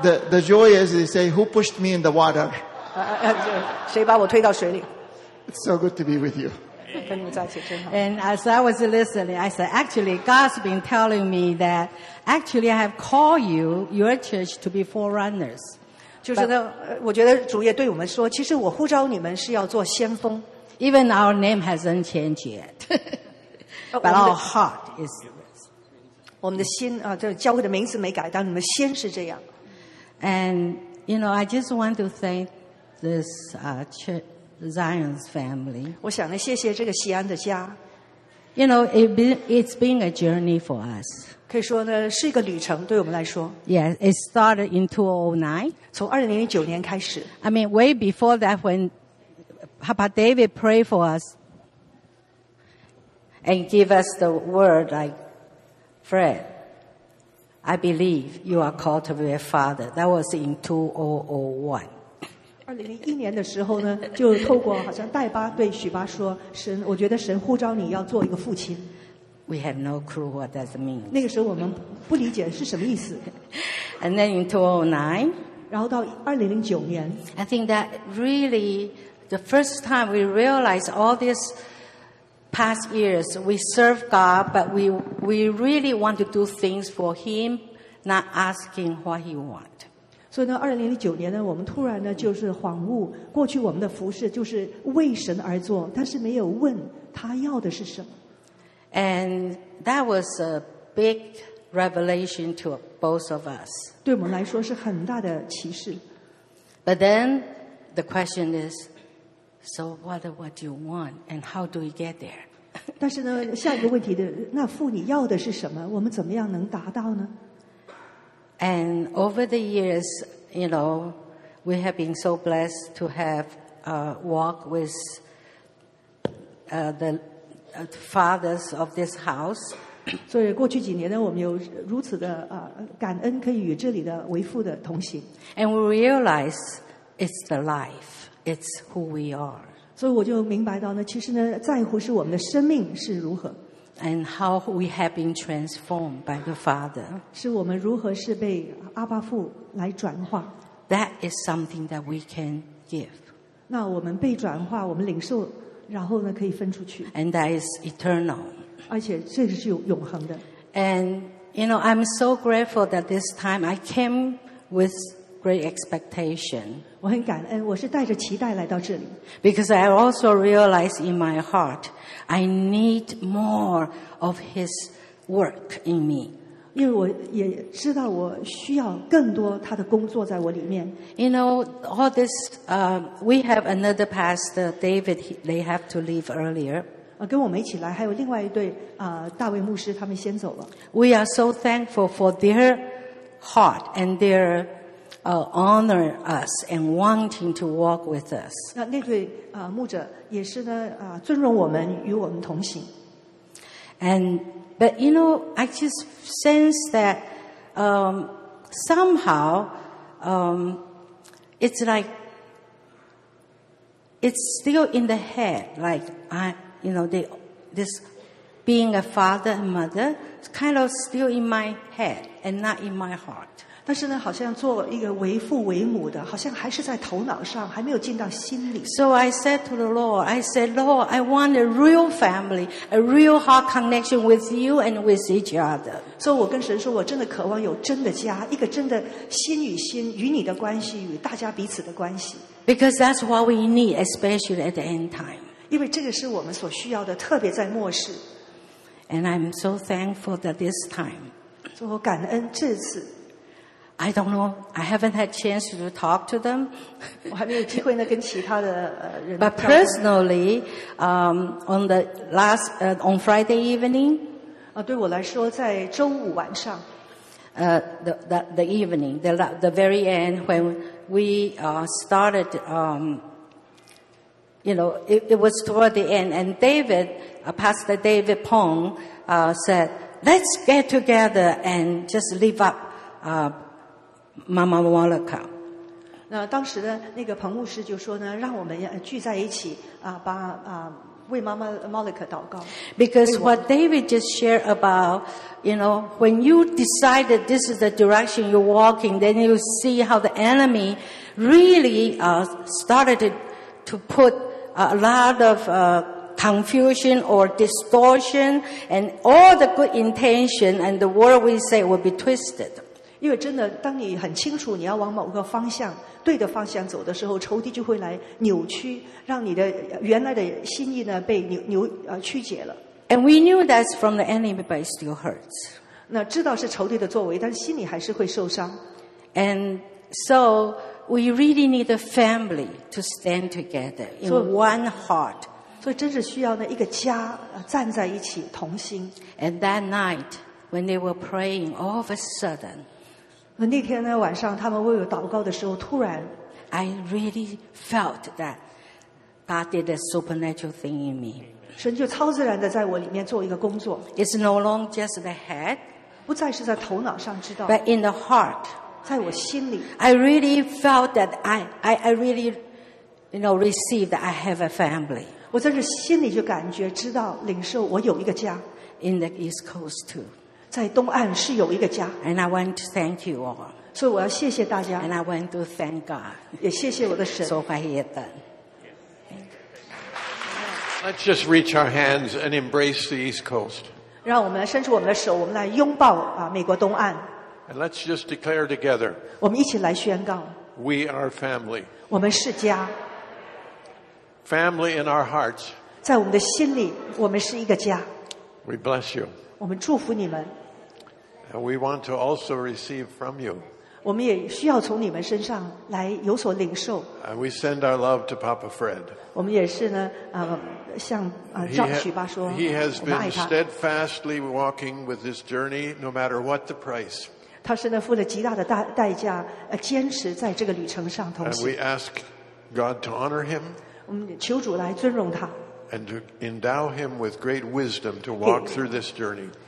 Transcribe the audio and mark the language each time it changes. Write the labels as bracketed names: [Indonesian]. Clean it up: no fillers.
[English] The joy is, they say, who pushed me in the water? [Chinese] 谁把我推到水里？ [English] It's so good to be with you. And as I was listening, I said, actually, God's been telling me that actually I have called you, your church, to be forerunners. [Chinese] 就是呢，我觉得主也对我们说，其实我呼召你们是要做先锋。 [English] Even our name hasn't changed yet. But our heart is. [Chinese] 我们的心啊，这教会的名字没改，但你们先是这样。 [English] And, you know, I just want to thank this church. Zion's family. [Chinese] 我想谢谢这个西安的家。 [English] You know, it's been a journey for us. [Chinese] 可以说呢，是一个旅程对我们来说。 [English] Yes, it started in 2009. [Chinese] 从2009年开始。 [English] I mean, way before that, when Papa David prayed for us and gave us the word like, Fred, I believe you are called to be a father. That was in 2001. [Chinese] 2001年的时候呢，就透过好像戴巴对许巴说：“神，我觉得神呼召你要做一个父亲。” [English] We have no clue what that means. [Chinese] 那个时候我们不理解是什么意思。 [English] And then in 2009, [Chinese] 然后到2009年 [English] ，I think that really the first time we realized all these past years we serve God, but we really want to do things for Him, not asking what He wants. [Chinese] 所以呢，2009年呢，我们突然呢就是恍悟，过去我们的服事就是为神而做，但是没有问他要的是什么。 [English] And that was a big revelation to both of us. [Chinese] 对我们来说是很大的启示。 [English] But then the question is, so what do you want, and how do we get there? [Chinese] 但是呢，下一个问题的那父你要的是什么？我们怎么样能达到呢？ [English] And over the years, you know, we have been so blessed to have walk with the fathers of this house. [Chinese] 所以过去几年呢，我们有如此的感恩，可以与这里的为父的同行。 [English] And we realize it's the life, it's who we are. [Chinese] 所以我就明白到呢，其实呢，在乎是我们的生命是如何。 [English] And how we have been transformed by the Father. [Chinese] 是我们如何是被阿爸父来转化。 [English] That is something that we can give. [Chinese] 那我们被转化，我们领受，然后呢可以分出去。 [English] And that is eternal. [Chinese] 而且这个是永恒的。 [English] And you know, I'm so grateful that this time I came with great expectation. [Chinese] 我很感恩，我是带着期待来到这里。 [English] Because I also realize in my heart. I need more of His work in me. [Chinese] 因为我也知道我需要更多他的工作在我里面。 [English] You know, all this, we have another pastor, David, they have to leave earlier. [Chinese] 跟我们一起来，还有另外一对大卫牧师，他们先走了。 [English] We are so thankful for their heart and their honor us and wanting to walk with us. [Chinese] 那对牧者也是呢尊荣我们与我们同行。 [English] But you know, I just sense that somehow it's like it's still in the head. Like I, you know, this being a father and mother is kind of still in my head and not in my heart. [Chinese] 但是呢，好像做一个为父为母的，好像还是在头脑上，还没有进到心里。 [English] So I said to the Lord, I said, Lord, I want a real family, a real heart connection with you and with each other. So [Chinese] 我跟神说，我真的渴望有真的家，一个真的心与心与你的关系，与大家彼此的关系。 [English] Because that's what we need, especially at the end time. [Chinese] 因为这个是我们所需要的，特别在末世。 [English] And I'm so thankful that this time. [Chinese] 所以我感恩这次。 [English] I don't know. I haven't had chance to talk to them. [Chinese] 我还没有机会呢，跟其他的人。 [English] But personally, on the last on Friday evening. [Chinese] 对我来说，在周五晚上。 [English] The evening, the very end when we started. You know, it was toward the end, and David, Pastor David Pong, said, "Let's get together and just live up." Mama Wallaka. [Chinese] 那当时的那个彭牧师就说呢，让我们聚在一起啊，把啊为妈妈 Malika 祷告。 [English] Because what David just shared about, you know, when you decide that this is the direction you're walking, then you see how the enemy really started to put a lot of confusion or distortion, and all the good intention and the word we say will be twisted. [Chinese] 因为真的，当你很清楚你要往某个方向、对的方向走的时候，仇敌就会来扭曲，让你的原来的心意呢被曲解了。 [English] And we knew that's from the enemy, but it still hurts. [Chinese] 那知道是仇敌的作为，但心里还是会受伤。 [English] And so. We really need a family to stand together in one heart. [Chinese] 所以真是需要呢一个家站在一起同心。 [English] And that night, when they were praying, all of a sudden, [Chinese] 那天呢晚上他们为我祷告的时候，突然 [English] ，I really felt that God did a supernatural thing in me. [Chinese] 神就超自然的在我里面做一个工作。 [English] It's no longer just the head. [Chinese] 不再是在头脑上知道。 [English] But in the heart. [Chinese] 在我心里 [English] I really felt that I really, you know, received that I have a family. [Chinese] 我真是心里就感觉知道领受我有一个家 [English] In the East Coast too. [Chinese] 在东岸是有一个家 [English] And I want to thank you all. [Chinese] 所以我要谢谢大家 [English] And I want to thank God. [Chinese] 也谢谢我的神 [English] So I have done. Let's just reach our hands and embrace the East Coast. [Chinese] 让我们伸出我们的手，我们来拥抱啊美国东岸。 [English] And let's just declare together. [Chinese] 我们一起来宣告。 [English] We are family. [Chinese] 我们是家。 [English] Family in our hearts. [Chinese] 在我们的心里，我们是一个家。 [English] We bless you. [Chinese] 我们祝福你们。 [English] And we want to also receive from you. [Chinese] 我们也需要从你们身上来有所领受。 [English] And we send our love to Papa Fred. [Chinese] 我们也是呢，向赵许爸说， [English] He has been steadfastly walking with this journey, no matter what the price. [Chinese] 他是呢付了极大的代价坚持在这个旅程上同行。 [English] And we ask God to honor him. [Chinese] 我们求主来尊荣他。 [English] And to endow him with great wisdom to walk through this journey.